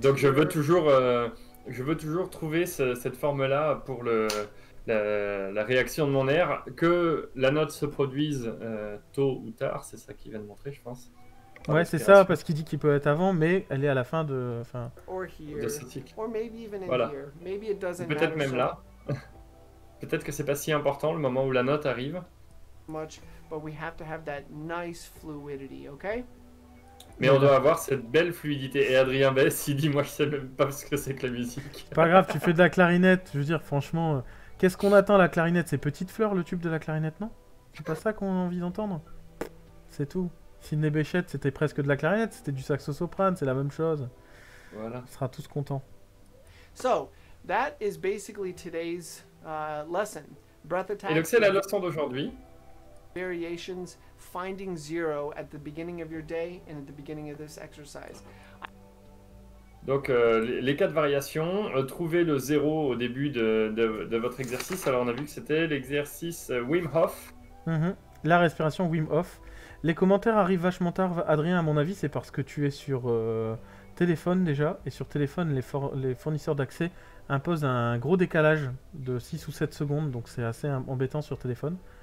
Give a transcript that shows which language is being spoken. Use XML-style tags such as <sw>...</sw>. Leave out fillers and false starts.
<fr>Donc je veux toujours, trouver cette forme-là pour la réaction de mon air, que la note se produise tôt ou tard. C'est ça qu'il vient de montrer, je pense. Ouais, c'est ça, parce qu'il dit qu'il peut être avant, mais elle est à la fin de. Enfin.</fr> <en>Or here.</en> <fr>De ce tique.</fr> <en>Or maybe even in voilà. Here. Maybe it doesn't.</en> <fr>Peut-être même là. Peut-être que c'est pas si important le moment où la note arrive.</fr> <en>Much, but we have to have that nice fluidity, okay?</en> <fr>Mais on doit avoir cette belle fluidité. Et Adrien Bess, il dit, moi, je sais même pas ce que c'est que la musique. Pas grave, tu fais de la clarinette. Je veux dire, franchement, qu'est-ce qu'on attend la clarinette? C'est Petite Fleur, le tube de la clarinette, non? C'est pas ça qu'on a envie d'entendre? C'est tout. Sidney Bechet, c'était presque de la clarinette, c'était du saxo-soprane, c'est la même chose. Voilà. On sera tous contents.</fr> <en>So, that is basically today's lesson. Breath attack.</en> <fr>Et donc, c'est la leçon d'aujourd'hui.</fr> <en>Variations, finding zero at the beginning of your day and at the beginning of this exercise.</en> <fr>Donc, les quatre variations, trouver le zéro au début de votre exercice. Alors, on a vu que c'était l'exercice Wim Hof. Mm-hmm. La respiration Wim Hof. Les commentaires arrivent vachement tard, Adrien, à mon avis, c'est parce que tu es sur téléphone déjà, et sur téléphone, les fournisseurs d'accès imposent un gros décalage de 6 ou 7 secondes, donc c'est assez embêtant sur téléphone.</fr>